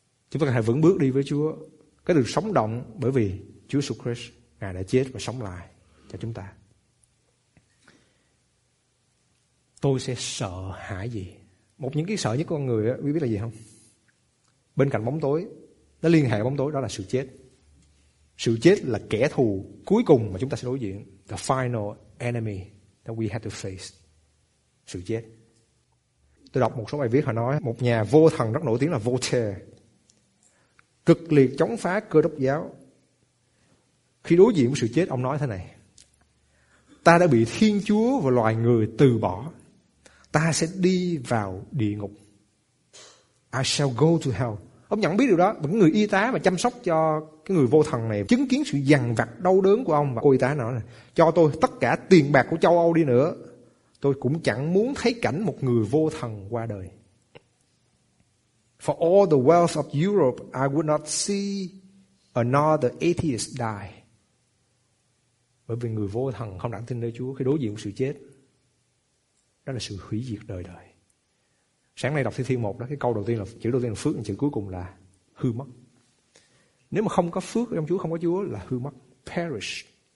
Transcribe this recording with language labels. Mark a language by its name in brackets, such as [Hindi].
[Vietnamese] Chúng ta cần phải vững bước đi với Chúa, cái được sống động bởi vì Chúa Jesus Christ, Ngài đã chết và sống lại cho chúng ta. Tôi sẽ sợ hãi gì? Một những cái sợ nhất của con người, quý biết là gì không? Bên cạnh bóng tối, nó liên hệ bóng tối, đó là sự chết. Sự chết là kẻ thù cuối cùng mà chúng ta sẽ đối diện. [English] The final enemy that we have to face. [Vietnamese] Sự chết. Tôi đọc một số bài viết họ nói, một nhà vô thần rất nổi tiếng là Voltaire, cực liệt chống phá cơ đốc giáo. Khi đối diện với sự chết, ông nói thế này: ta đã bị Thiên Chúa và loài người từ bỏ. Ta sẽ đi vào địa ngục. [English] I shall go to hell. [Vietnamese] Ông nhận biết điều đó. Một người y tá mà chăm sóc cho cái người vô thần này chứng kiến sự dằn vặt đau đớn của ông. Và cô y tá nói là: cho tôi tất cả tiền bạc của châu Âu đi nữa, tôi cũng chẳng muốn thấy cảnh một người vô thần qua đời. [English] For all the wealth of Europe, I would not see another atheist die. [Vietnamese] Bởi vì người vô thần không đặng tin nơi Chúa, khi đối diện với sự chết, đó là sự hủy diệt đời đời. Sáng nay đọc Thi Thiên 1 đó, cái câu đầu tiên là chữ đầu tiên là phước, chữ cuối cùng là hư mất. Nếu mà không có phước trong Chúa, không có Chúa là hư mất, perish.